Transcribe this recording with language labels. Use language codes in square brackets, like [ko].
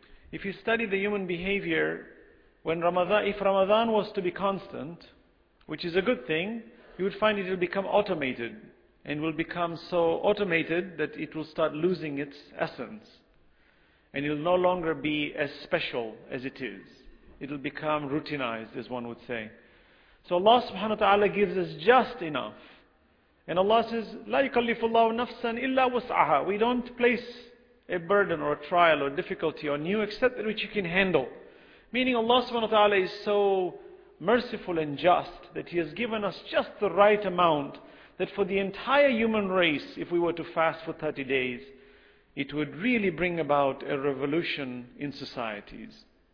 [en] If you study the human behavior, if Ramadan was to be constant, which is a good thing, you would find it will become automated, and will become so automated that it will start losing its essence. And it will no longer be as special as it is. It will become routinized, as one would say. So Allah subhanahu wa ta'ala gives us just enough. And Allah says, [ar] لا يكلف الله نفسا إلا وسعها. [en] We don't place a burden or a trial or difficulty on you except that which you can handle. Meaning Allah subhanahu wa ta'ala is so merciful and just that He has given us just the right amount that for the entire human race, if we were to fast for 30 days, it would really bring about a revolution in societies.